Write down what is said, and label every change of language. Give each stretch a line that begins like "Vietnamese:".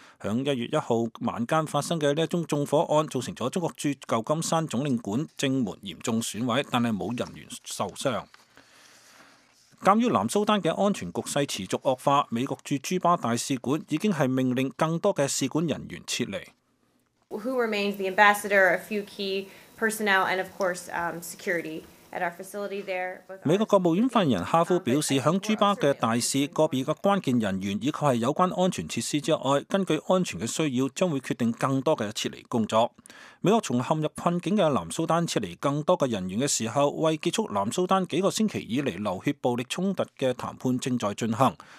Chinese: 在1月1日晚间发生的这宗纵火案，造成了中国驻旧金山总领馆正门严重损毁，但是没有人员受伤。鉴于南苏丹的安全局势持续恶化，美国驻朱巴大使馆已经命令更多的使馆人员撤离。
English: Who remains the ambassador, a few key personnel, and of course, security at our facility there.
Chinese: 美国国务院发言人哈夫表示，在朱巴的大使、个别的关键人员以及有关安全设施之外，根据安全的需要，将会决定更多的撤离工作。美国从陷入困境的南苏丹撤离更多的人员的时候，为结束南苏丹几个星期以来流血暴力冲突的谈判正在进行。